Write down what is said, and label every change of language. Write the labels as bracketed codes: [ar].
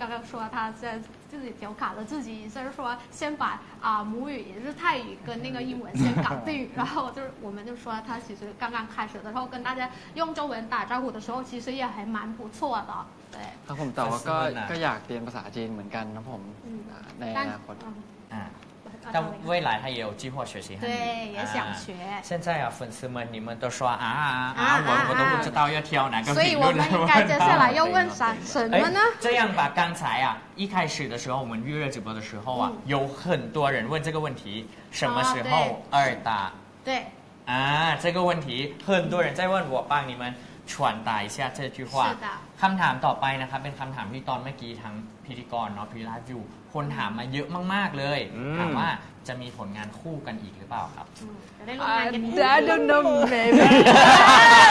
[th] กำลังพูด [zh] 他现在自己调侃了自己就是说先把啊母语也是泰语跟那个英文先搞定然后就是我们就说他其实刚刚开始的时候跟大家用中文打招呼的时候其实也还蛮不错的对 [th] ครับผมแต่ว่าก็อยากเรียนภาษาจีนเหมือนกันนะผมในอนาคต [zh] แต่未来他也有计划学习汉语对也想学现在啊粉丝们你们都说我都不知道要挑哪个所以我们应该接下来要问什么呢这样吧刚才啊一开始的时候我们预热直播的时候啊有很多人问这个问题什么时候二打对这个问题很多人在问我帮你们传达一下这句话是的 [th] คำถามต่อไปนะครับเป็นคำถามที่ตอนเมื่อกี้ทั้งพิธีกรเนาะพี่ไลฟ์วิวคนถามมาเยอะมากๆเลยถามว่าจะมีผลงานคู่กันอีกหรือเปล่าครับ จะได้ ร่วมงานกัน อี ก